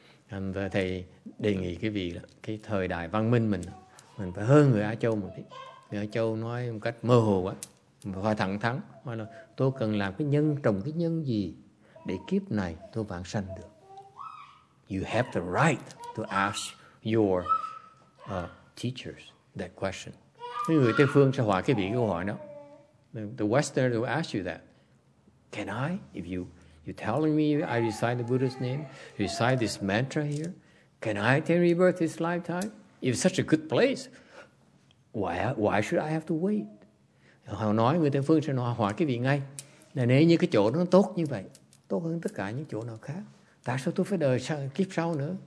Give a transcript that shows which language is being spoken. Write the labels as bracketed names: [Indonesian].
[Vietnamese] Thành ra thầy đề nghị quý vị là cái thời đại văn minh mình phải hơn người Á Châu một tí. Người Á Châu nói một cách mơ hồ quá, phải thẳng thắn, nói là tôi cần làm cái nhân, trồng cái nhân gì để kiếp này tôi vãng sanh được. [English] You have the right to ask your teachers that question. [Vietnamese] Người Tây Phương sẽ hỏi cái vị câu hỏi đó. [English] The Westerner will ask you that. Can I, if you... You're telling me I recite the Buddha's name, recite this mantra here. Can I attain rebirth this lifetime? If it's such a good place, why should I have to wait? [Vietnamese] Họ nói người Tây Phương sẽ nói hỏi cái vị ngay. Là nếu như cái chỗ nó tốt như vậy, tốt hơn tất cả những chỗ nào khác, tại sao tôi phải đợi sang kiếp sau nữa?